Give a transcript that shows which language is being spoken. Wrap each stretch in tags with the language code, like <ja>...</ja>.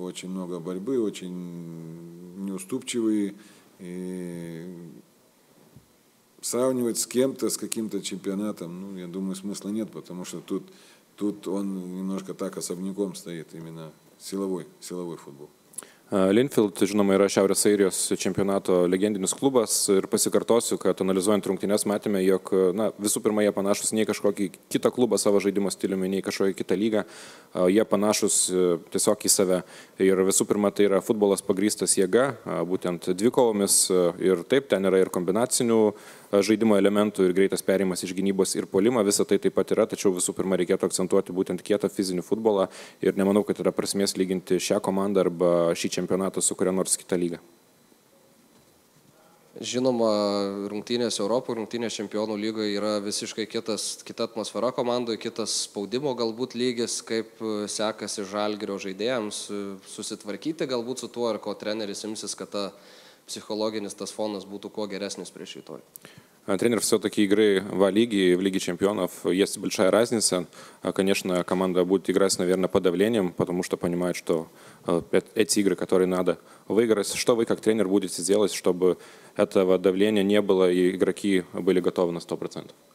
<ru>Очень много борьбы, очень неуступчивые. И сравнивать с кем-то, с каким-то чемпионатом, ну, я думаю, смысла нет, потому что тут он немножко так особняком стоит, именно силовой футбол.</ru> <lt>Linfield, žinoma, yra Šiaurės Airijos čempionato legendinis klubas ir pasikartosiu, kad analizuojant rungtynes matėme, jog na, visų pirma, jie panašus nei kažkokį kitą klubą savo žaidimo stiliumi, nei kažkokį kitą lygą, jie panašus tiesiog į save ir visų pirma, tai yra futbolas pagrįstas jėga, būtent dvikovomis ir taip, ten yra ir kombinacinių žaidimo elementų ir greitas perėjimas iš gynybos ir polimą, visa tai taip pat yra, tačiau visų pirma reikėtų akcentuoti būtent kietą fizinį futbolą ir nemanau, kad yra prasmės lyginti šią komandą arba šį čempionatą su kuria nors kita lyga. Žinoma, rungtynės Europų, rungtynės čempionų lygoje yra visiškai kita atmosfera komandoje, kitas spaudimo galbūt lygis, kaip sekasi Žalgirio žaidėjams susitvarkyti galbūt su tuo ir ko treneris imsis, kad ta psichologinis tas fonas būtų kuo geresnis prieš rytoj.</lt> <ru>Тренер все таки игры в Лиге чемпионов есть большая разница. Конечно, команда будет играть, наверное, под давлением, потому что понимает, что эти игры, которые надо выиграть. Что вы как тренер будете делать, чтобы этого давления не было и игроки были готовы на 100%?</ru>